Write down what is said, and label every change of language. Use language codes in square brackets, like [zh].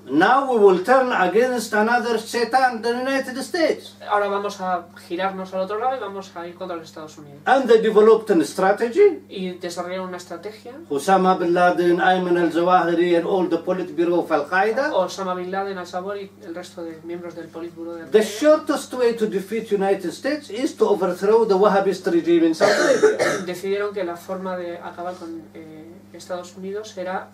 [en] Now we will turn against another Satan, the United States. [es] Ahora vamos a girarnos al otro lado y vamos a ir contra los Estados Unidos. [en] And they developed a strategy. [es] Y desarrollaron una estrategia. [en] Osama bin Laden, Ayman al-Zawahiri, and all the Politburo of Al-Qaeda. [es] Osama bin Laden, al-Zawahiri, y el resto de miembros del Politburo de Al-Qaeda. [en] The shortest way to defeat United States is to overthrow the Wahhabist regime in Saudi Arabia. [es] Decidieron que la forma de acabar con Estados Unidos era